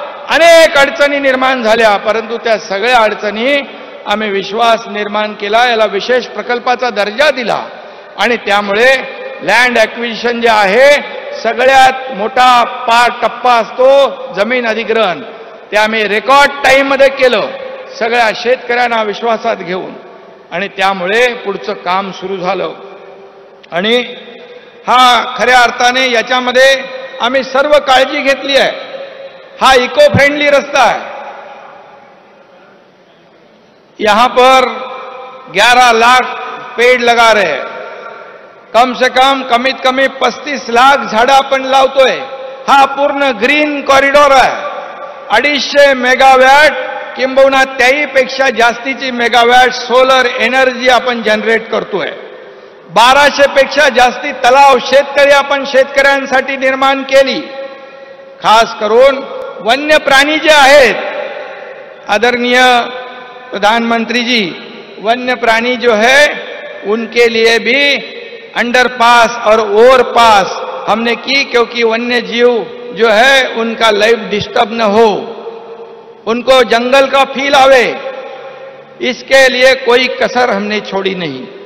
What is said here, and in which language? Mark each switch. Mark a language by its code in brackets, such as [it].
[mr] अनेक अडचणी निर्माण झाल्या, परंतु त्या सगळ्या अडचणी आम्ही विश्वास निर्माण केला, याला विशेष प्रकल्पाचा दर्जा दिला आणि त्यामुळे लँड ॲक्विजिशन जे आहे सगळ्यात मोठा पार टप्पा असतो जमीन अधिग्रहण, ते आम्ही रेकॉर्ड टाईममध्ये केलं सगळ्या शेतकऱ्यांना विश्वासात घेऊन, आणि त्यामुळे पुढचं काम सुरू झालं। आणि हा खऱ्या अर्थाने याच्यामध्ये आम्ही सर्व काळजी घेतली आहे, हा इको फ्रेंडली रस्ता आहे। [hi] यहां पर 11 लाख पेड़ लगा रहे हैं, कम से कम [mr] कमीत कमी 35 लाख झाडं आपण लावतोय। हा पूर्ण ग्रीन कॉरिडॉर आहे, 250 मेगावॅट किंबहुना त्याहीपेक्षा जास्तीची मेगावॅट सोलर एनर्जी आपण जनरेट करतोय। 1200 पेक्षा जास्ती तलाव शेतकरी आपण शेतकऱ्यांसाठी निर्माण केली, खास करून वन्य प्राणी जे आहेत आदरणीय प्रधानमंत्री जी, [hi] वन्य प्राणी जो है उनके लिए भी अंडरपास और ओवरपास हमने की, क्योंकि वन्य जीव जो है उनका लाइफ डिस्टर्ब न हो, उनको जंगल का फील आवे, इसके लिए कोई कसर हमने छोड़ी नहीं।